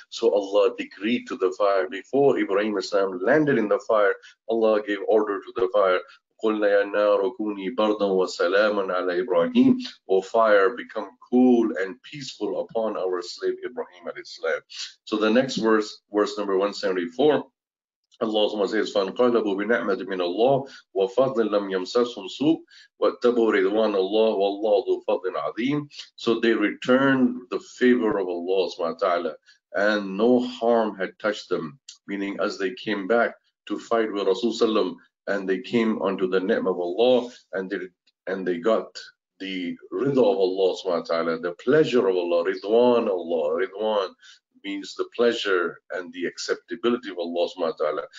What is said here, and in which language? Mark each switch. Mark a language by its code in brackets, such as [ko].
[en] So Allah decreed to the fire before Ibrahim al-Islam landed in the fire. Allah gave order to the fire. [ar] قُلْنَا يَا نَارُ كُونِي بَرْدًا وَسَلَامًا عَلَى إِبْرَاهِيمَ. [en] O fire, become cool and peaceful upon our slave Ibrahim alayhi salam. So the next verse, verse number 174. Allah says, [ar] فَانْقَلَبُوا بِنِعْمَةٍ مِنَ اللَّهِ وَفَضْلٍ لَمْ يَمْسَسْهُمْ سُوءٌ وَاتَّبَعُوا رِضْوَانَ اللَّهِ وَاللَّهُ ذُو فَضْلٍ عَظِيمٍ. [en] So they returned the favor of Allah subhanahu wa ta'ala, and no harm had touched them, meaning as they came back to fight with Rasulullah, and they came unto the ni'mah of Allah, and they got the ridha of Allah subhanahu wa ta'ala, the pleasure of Allah, ridwan Allah, ridwan means the pleasure and the acceptability of Allah subhanahu wa ta'ala.